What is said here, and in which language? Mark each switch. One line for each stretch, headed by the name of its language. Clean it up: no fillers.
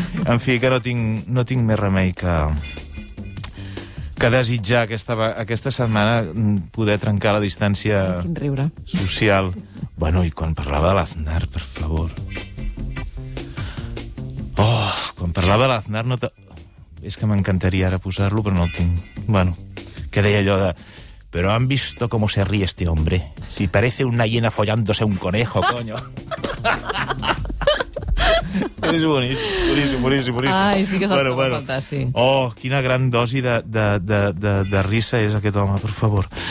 Catalan: En fi, que no tinc més remei que desitjar aquesta setmana poder trencar la distància social. Bueno, i quan parlava de l'Aznar, per favor. Oh, quan parlava de l'Aznar, és que m'encantaria ara posar-lo, però no el tinc. Bueno, que deia allò de...
Spanish: Però han visto cómo se ríe este hombre. Si parece una hiena follándose un conejo, coño.
Catalan: És boníssim. Ai, sí que és el que vol faltar, sí. Oh, quina gran dosi de risa és aquest home, per favor.